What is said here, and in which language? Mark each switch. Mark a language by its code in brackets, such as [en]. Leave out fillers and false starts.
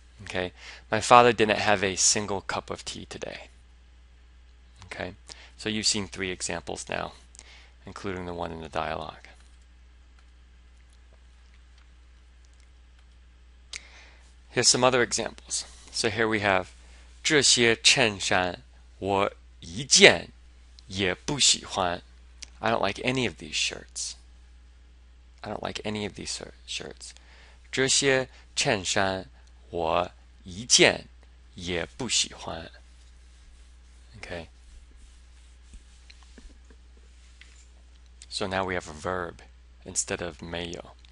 [en] Okay, my father didn't have a single cup of tea today. Okay. So you've seen three examples now, including the one in the dialogue. Here's some other examples. So here we have [zh] 这些衬衫我一件也不喜欢. [en] I don't like any of these shirts. I don't like any of these shirts. [zh] 这些衬衫我一件也不喜欢. [en] Okay. So now we have a verb instead of mayo.